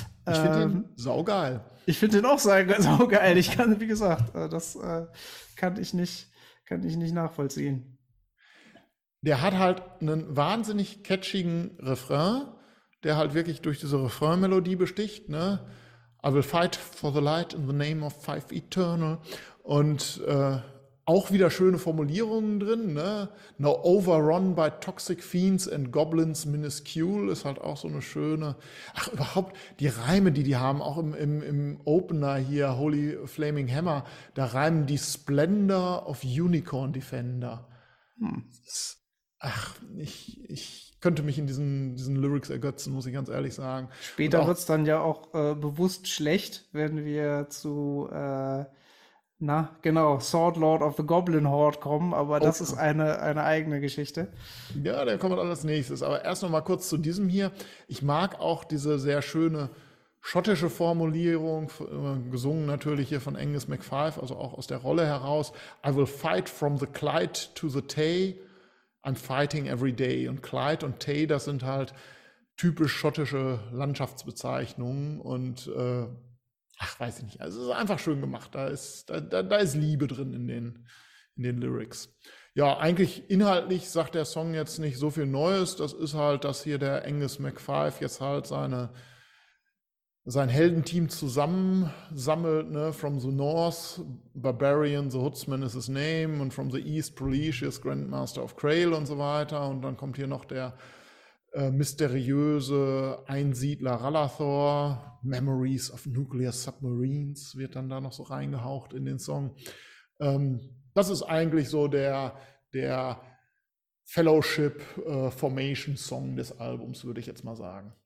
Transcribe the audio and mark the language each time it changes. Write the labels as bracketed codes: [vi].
[de] Ich finde ihn saugeil. Ich finde ihn auch saugeil. Ich kann, wie gesagt, das kann ich nicht nachvollziehen. Der hat halt einen wahnsinnig catchigen Refrain, der halt wirklich durch diese Refrain-Melodie besticht, ne? [en] I will fight for the light in the name of five eternal. [de] Und auch wieder schöne Formulierungen drin, ne? [en] Now overrun by toxic fiends and goblins minuscule [de] ist halt auch so eine schöne. Ach, überhaupt die Reime, die haben, auch im Opener hier, Holy Flaming Hammer, da reimen die Splendor of Unicorn Defender. Ach, ich könnte mich in diesen Lyrics ergötzen, muss ich ganz ehrlich sagen. Später wird es dann ja auch bewusst schlecht, wenn wir zu, Sword Lord of the Goblin Horde kommen, aber das ist eine eigene Geschichte. Ja, der kommt dann als nächstes, aber erst noch mal kurz zu diesem hier. Ich mag auch diese sehr schöne schottische Formulierung, gesungen natürlich hier von Angus MacFife, also auch aus der Rolle heraus. [en] I will fight from the Clyde to the Tay. I'm fighting every day. [de] Und Clyde und Tay, das sind halt typisch schottische Landschaftsbezeichnungen. Und weiß ich nicht. Also es ist einfach schön gemacht. Da ist Liebe drin in den Lyrics. Ja, eigentlich inhaltlich sagt der Song jetzt nicht so viel Neues. Das ist halt, dass hier der Angus MacFife jetzt halt sein Heldenteam zusammensammelt, ne? [en] From the North, Barbarian, the Hoodsman is his name, and from the East, Prolicious, Grandmaster of Krayl [de] und so weiter. Und dann kommt hier noch der mysteriöse Einsiedler Ralathor, [en] Memories of Nuclear Submarines, [de] wird dann da noch so reingehaucht in den Song. Das ist eigentlich so der Fellowship-Formation-Song des Albums, würde ich jetzt mal sagen.